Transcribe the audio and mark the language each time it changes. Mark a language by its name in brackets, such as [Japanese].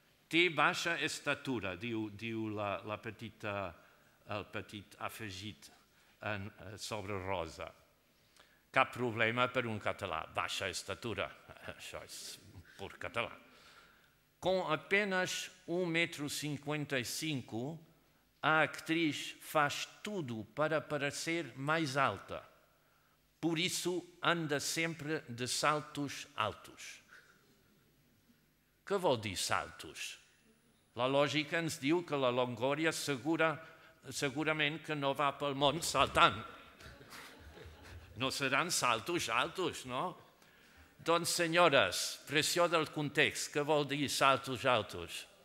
[Catalan] Té baixa estatura, diu la petita, el petit afegit sobre rosa. Cap problema per un català, baixa estatura, això és pur català. [Portuguese] Com apenas 1,55 m, a actriz faz tudo para parecer mais alta. Por isso anda sempre de saltos altos. [Catalan] Que vol dir saltos? La lògica ens diu que la Longoria segurament que no va pel món saltant. No seran [Portuguese] saltos altos, [Catalan] no? Doncs, senyores, pressió del context, què vol dir saltos altos?